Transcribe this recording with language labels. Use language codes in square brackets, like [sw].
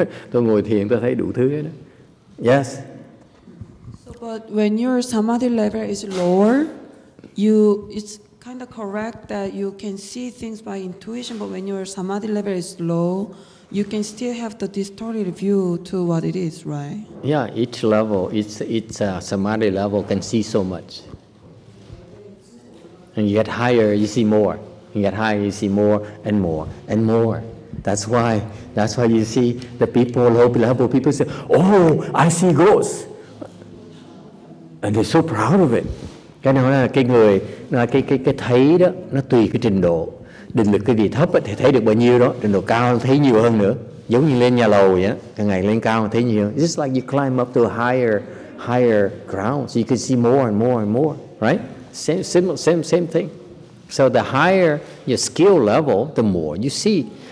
[vi] Tôi ngồi thiền, tôi thấy đủ thứ hết đó. [en] Yes. So, but when your samadhi level is lower, it's kind of correct that you can see things by intuition, but when your samadhi level is low, you can still have the distorted view to what it is, right? Yeah, each level, each samadhi level can see so much. And you get higher, you see more. You get higher, you see more and more and more. That's why you see the people low level, people say, oh, I see ghosts. And they're so proud of it. [vi] Cái đó là cái người, là cái thấy đó, nó tùy cái trình độ. Định lực cái gì thấp thì thấy được bao nhiêu đó, trình độ cao thấy nhiều hơn nữa. Giống như lên nhà lầu vậy, càng ngày lên cao thấy nhiều. [en] Just like you climb up to a higher ground, so you can see more and more and more, right? Same thing. So the higher your skill level, the more you see.